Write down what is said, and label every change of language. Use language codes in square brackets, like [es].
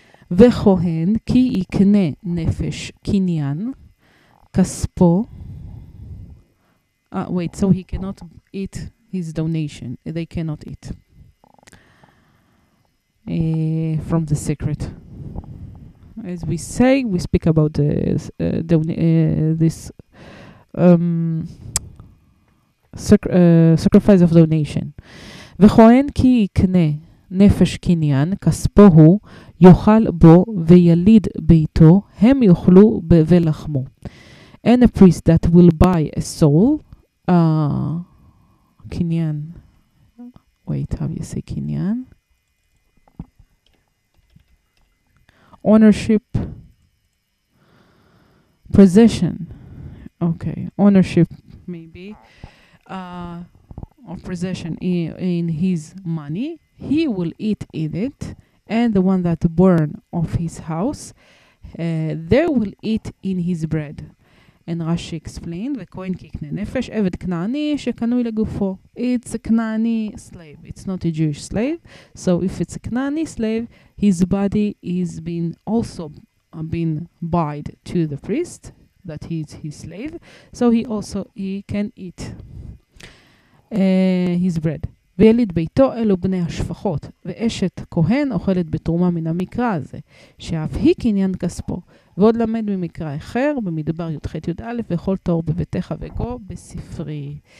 [he] וכהן כי יקנה נפש קניין כספו. [en] Wait, so he cannot eat his donation. They cannot eat from the secret. As we say, we speak about this sacrifice of donation. [he] וכהן כי יקנה נפש קניין, כספו הוא, יאכל בו ויליד ביתו, הם יאכלו ולחמו. [en] And a priest that will buy a soul, קניין, wait, how you say קניין? Ownership, possession, okay, ownership maybe, of possession in his money, he will eat in it, and the one that burn of his house, they will eat in his bread. And Rashi explained, [he] וכהן כקנה נפש, עבד כנעני שקנוי לגופו. [en] It's a כנעני slave. It's not a Jewish slave. So if it's a כנעני slave, his body is been also been bought to the priest, that he is his slave. So he also he can eat his bread. [he] ויליד ביתו אלו בני השפחות, ואשת כהן אוכלת בתרומה מן המקרא הזה, שאף היא קניין כספו. ועוד למד ממקרא אחר, במדבר י' ח' י' א', וכל תור בביתך וגו בספרי.